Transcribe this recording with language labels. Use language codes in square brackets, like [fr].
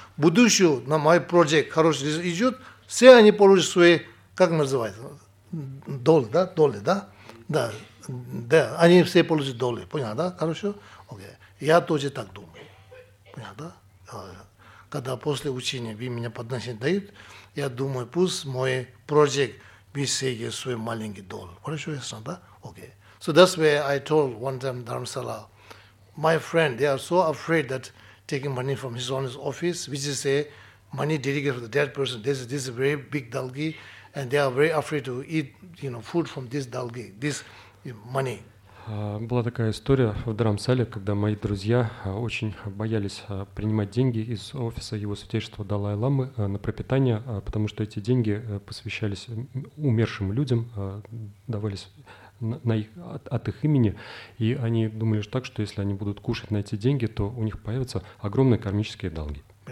[ru] Будущее на мой проект хороший риск идет, все они получат свои, как называется, доли, да? Доли, да? Да. Да, они все пользуются долей. Понял, да? Хорошо? Окей. Я тоже так думаю. Понял, да? Когда после учения вы меня подносите, дают, я думаю, пусть мой проект весь свой маленький долг. Хорошо, ясно, да? Окей. [en] So that's where I told one time Dharamsala, my friend, they are so afraid that taking money from his own office, which is a money dedicated for the dead person, this is a very big dalgi, and they are very afraid to eat, you know, food from this dalgi, this money. [ru] Была такая история в Дарамсале, когда мои друзья очень боялись принимать деньги из офиса его святейшества Далай-ламы на пропитание, потому что эти деньги посвящались умершим людям, давались от их имени, и они думали так, что если они будут кушать на эти деньги, то у них появятся огромные кармические долги.